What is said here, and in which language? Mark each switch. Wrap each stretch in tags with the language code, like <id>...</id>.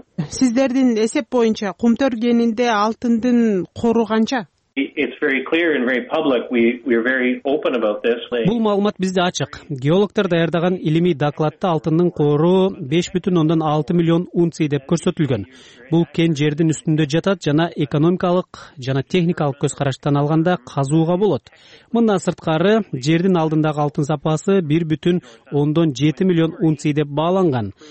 <ky>Сиздердин эсеп боюнча Кумтор кенинде алтындын кору канча?</ky> <en>It's very clear and very public. We're very open about this.</en> <ky>Бул маалымат бизде ачык. Геологтор даярдаган илимий докладта алтындын кору 5.6 миллион унций деп көрсөтүлгөн. Бул кен жердин үстүндө жатат жана экономикалык жана техникалык көз караштан алганда казууга болот. Мындан сырткары жердин алдындагы алтын запасы 1.7 миллион унций деп бааланган.</ky>